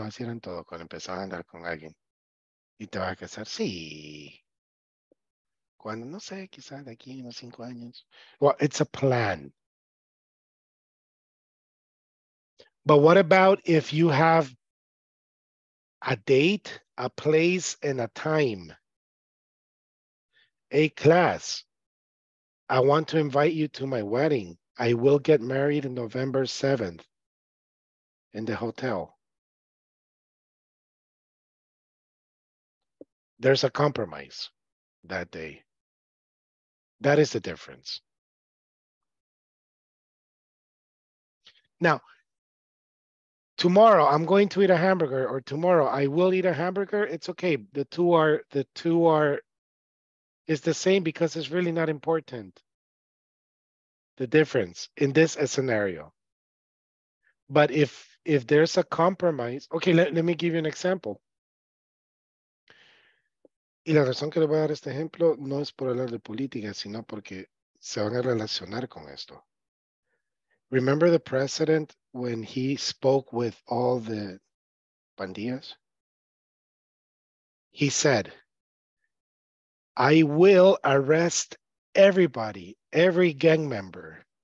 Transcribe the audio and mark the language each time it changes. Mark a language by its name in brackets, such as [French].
[Spanish] Hicieron todo cuando empezaron a andar con alguien. Y te vas a casar. Sí. Cuando, no sé, quizás de aquí unos 5 años. [English] Well, it's a plan. But what about if you have a date, a place, and a time? A class. I want to invite you to my wedding. I will get married on November 7th in the hotel. There's a compromise that day. That is the difference. Now, tomorrow I'm going to eat a hamburger, or tomorrow I will eat a hamburger. It's okay. The two are, it's the same because it's really not important. The difference in this scenario. But if there's a compromise, okay, let me give you an example. [Spanish] Y la razón que le voy a dar este ejemplo no es por hablar de política, sino porque se van a relacionar con esto. [English] Remember the president when he spoke with all the pandillas? He said, I will arrest everybody, every gang member.